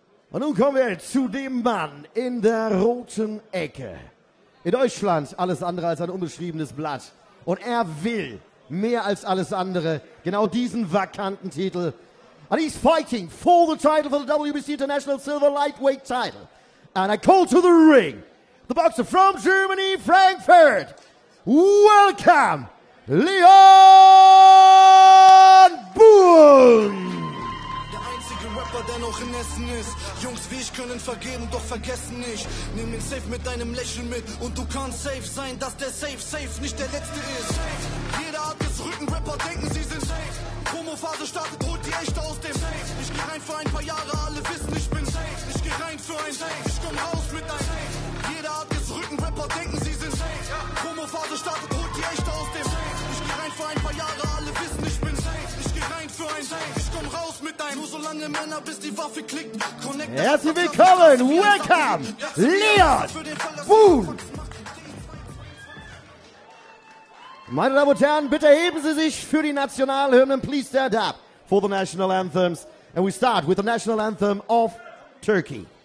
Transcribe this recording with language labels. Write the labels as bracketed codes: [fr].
[de] Und nun kommen wir zu dem Mann in der roten Ecke. In Deutschland alles andere als ein unbeschriebenes Blatt. Und er will mehr als alles andere genau diesen vakanten Titel. [en] And he's fighting for the title for the WBC International Silver Lightweight title. And I call to the ring. The boxer from Germany, Frankfurt. Welcome, Leon Boom. [de] Der einzige Rapper, der noch in Essen ist. Jungs wie ich können vergeben, doch vergessen nicht. Nimm den Safe mit deinem Lächeln mit. Und du kannst safe sein, dass der Safe Safe nicht der letzte ist. Jeder Art des Rückenrapper denken, sie sind safe. Promophase startet, holt die Echte aus dem Safe. Ich geh rein für ein paar Jahre, alle wissen, ich bin safe. Ich geh rein für ein Safe, ich komm raus mit einem Safe. Rückenrapper denken, sie sind safe. Promophase startet, holt die Echte aus dem Safe. Ich geh rein für ein paar Jahre, alle wissen, ich bin safe. Ich geh rein für ein Safe, ich komm raus mit deinem. Nur so lange Männer, bis die Waffe klickt. Connect. Herzlich willkommen, welcome, Leon Boom. Meine Damen und Herren, bitte heben Sie sich für die Nationalhymnen. [en] Please stand up for the national anthems. And we start with the national anthem of Turkey.